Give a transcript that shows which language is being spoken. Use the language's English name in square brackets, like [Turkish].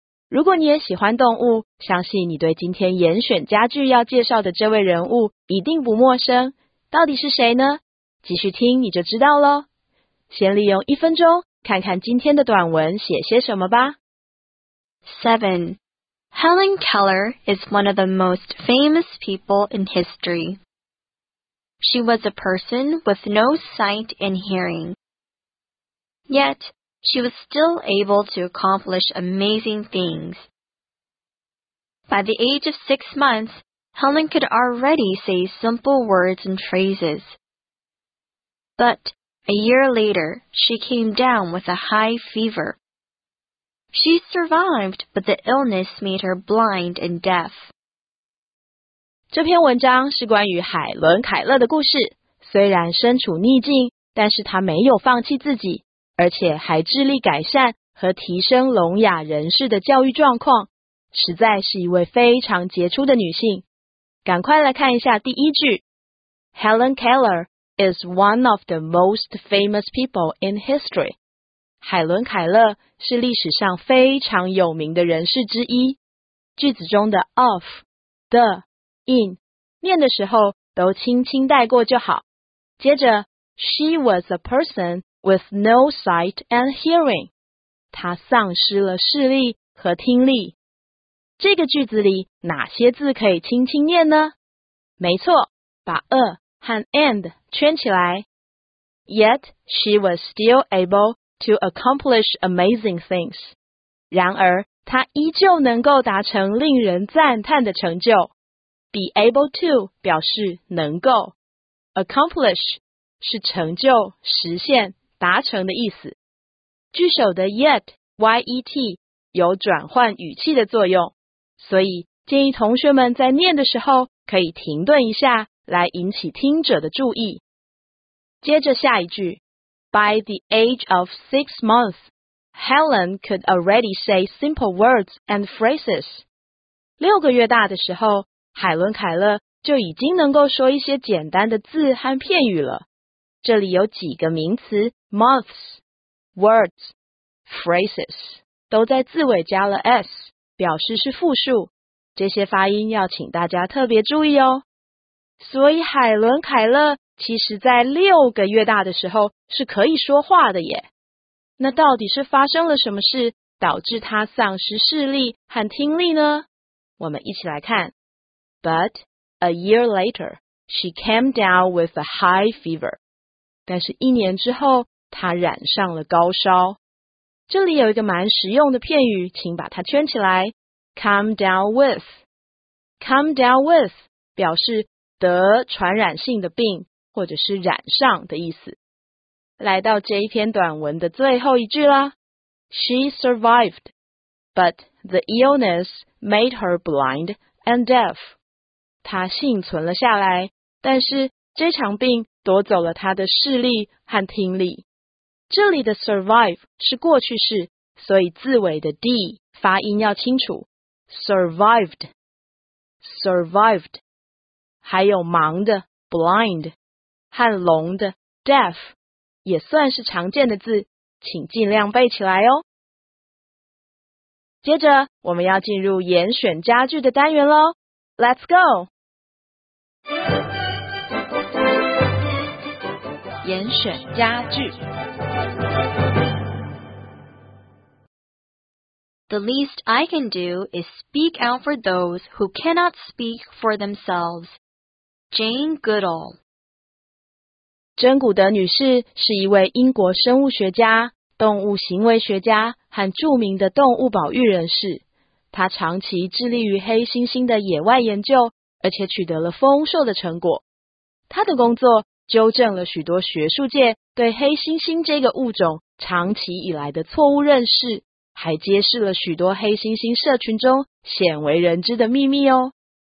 [Chinese] 如果你也喜欢动物，相信你对今天严选家具要介绍的这位人物一定不陌生。到底是谁呢？继续听你就知道咯。先利用一分钟看看今天的短文写些什么吧。 7. [English] Helen Keller is one of the most famous people in history. She was a person with no sight and hearing. Yet, she was still able to accomplish amazing things. By the age of 6 months, Helen could already say simple words and phrases. But,A year later, she came down with a high fever. She survived, but the illness made her blind and deaf. [Chinese] 这篇文章是关于海伦·凯勒的故事。虽然身处逆境，但是她没有放弃自己，而且还致力改善和提升聋哑人士的教育状况，实在是一位非常杰出的女性。赶快来看一下第一句。 [English] Helen Keller,is one of the most famous people in history. [Chinese] 海伦·凯勒是历史上非常有名的人士之一。句子中的 of, the, in, 念的时候都轻轻带过就好。接着 [English] ,she was a person with no sight and hearing. [Chinese] 她丧失了视力和听力。这个句子里哪些字可以轻轻念呢？没错，把 a 和 and圈起来。 [English] Yet, she was still able to accomplish amazing things. [Chinese] 然而她依旧能够达成令人赞叹的成就。 Be able to 表示能够。Accomplish 是成就、实现、达成的意思。句首的 yet, y-e-t, 有转换语气的作用。所以建议同学们在念的时候可以停顿一下来引起听者的注意。接着下一句 [English] ,By the age of 6 months, Helen could already say simple words and phrases. [Chinese] 六个月大的时候，海伦·凯勒就已经能够说一些简单的字和片语了。这里有几个名词 ,months, words, phrases, 都在字尾加了 s, 表示是复数。这些发音要请大家特别注意哦。所以海伦·凯勒其实在六个月大的时候是可以说话的耶。那到底是发生了什么事导致他丧失视力和听力呢？我们一起来看。 [English] But a year later, she came down with a high fever. [Chinese] 但是一年之后他染上了高烧。这里有一个蛮实用的片语，请把它圈起来。 [English] Come down with. Come down with [Chinese] 表示得传染性的病或者是染上的意思。来到这一篇短文的最后一句啦。 [English] She survived, but the illness made her blind and deaf. [Chinese] 她幸存了下来，但是这场病夺走了她的视力和听力。这里的 survive 是过去式，所以字尾的 d 发音要清楚。 Survived, survived, 还有盲的 blind,和聋的 deaf 也算是常见的字，请尽量背起来哦。接着我们要进入严选家具的单元咯。 [English] Let's go! [Chinese] 严选家具。 [English] The least I can do is speak out for those who cannot speak for themselves. Jane Goodall。 [Chinese] 珍古德女士是一位英国生物学家、动物行为学家和著名的动物保育人士。她长期致力于黑猩猩的野外研究，而且取得了丰硕的成果。她的工作纠正了许多学术界对黑猩猩这个物种长期以来的错误认识，还揭示了许多黑猩猩社群中鲜为人知的秘密哦。